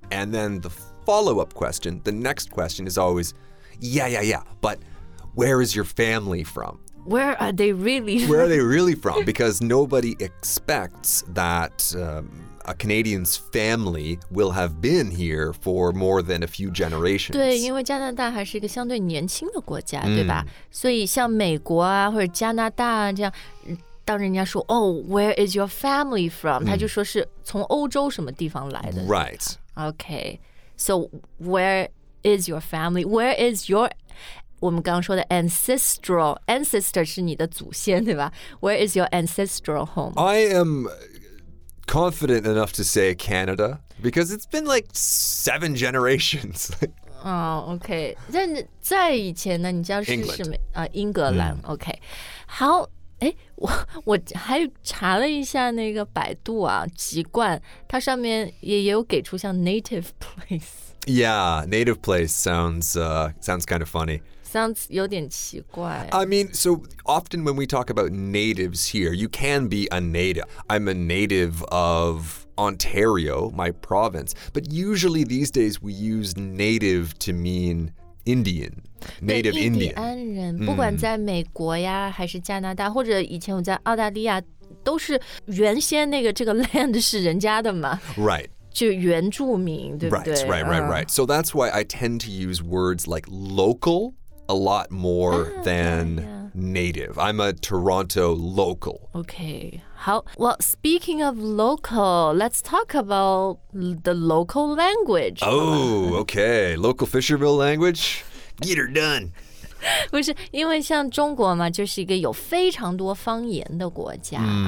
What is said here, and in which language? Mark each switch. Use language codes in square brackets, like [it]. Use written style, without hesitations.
[en] And then the follow-up question, the next question is always, yeah, but where is your family from? Where are they really from? Where are they really from? Because nobody expects that... a Canadian's family will have been here for more than a few generations. [zh] 对，因为加拿大还是一个相对年轻的国家，对吧？所以像美国啊，或者加拿大啊，这样，当人家说， [en] Oh, where is your family from? [zh] 他就说是从欧洲什么地方来的。 [en] Right. Okay. So where is your family? Where is your... [zh] 我们刚刚说的 [en] ancestral, ancestor [zh] 是你的祖先对吧 [en] Where is your ancestral home? I am confident enough to say Canada because it's been like 7 generations. Oh, okay. [zh] 但在以前呢你家是什么、英格兰、mm. [en] okay. [zh] 好我还查了一下那个百度啊籍贯它上面 也有给出像 native place. [en] Yeah, native place sounds,、sounds kind of funny. Sounds [zh] 有点奇怪 [en] I mean, so often when we talk about natives here, you can be a native. I'm a native of Ontario, my province. But usually these days we use native to mean Indian. Native Indian. [zh] 印第安人、mm. 不管在美国呀还是加拿大或者以前我在澳大利亚都是原先那个这个 land 是人家的嘛 [en] Right. [zh] 就原住民对不对 [en] Right, right, right, right. So that's why I tend to use words like local a lot more than native. I'm a Toronto local. Okay. How, well, speaking of local, let's talk about the local language. Oh, okay. Local Fisherville language? Get her done. [zh] 不是因为像中国嘛就是一个有非常多方言的国家、mm.